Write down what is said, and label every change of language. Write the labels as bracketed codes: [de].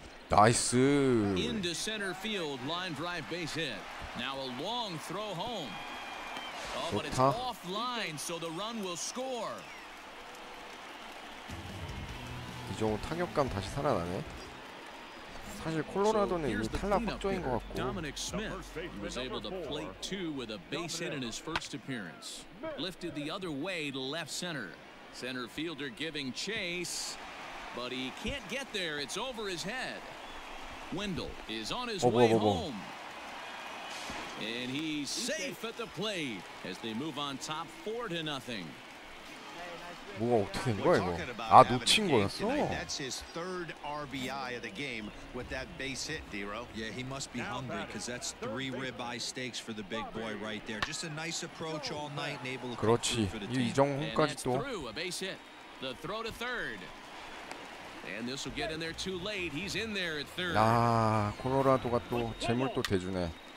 [en] Nice. Into center field, line drive, base hit. Now a long throw home. Oh, but it's off line, so the run will score. [ko] 이정후 타격감 다시 살아나네. 사실 콜로라도는 이미 탈락 확정인 것 같고. [en] Dominic Smith was able to plate two with a base hit in his first appearance. Lifted the other way to left center. Center fielder giving chase, but he can't get there. It's over his head. Wendell is on his way home, and he's safe at the plate as they move on top 4-0. [ko] 뭐가 어떻게 된 거야 이거? 아 놓친 거였어. [en] That's his third RBI of the game with that base hit, Dero. Yeah, he must be hungry because that's three ribeye steaks for the big boy right there. Just a nice approach all night, able to. [ko] 그렇지. 이정훈까지 또. [en] And through a base hit, the throw to third. And this will get in there too late. He's in there at third. [ko] 야, 콜로라도가 또 재물 또 대주네.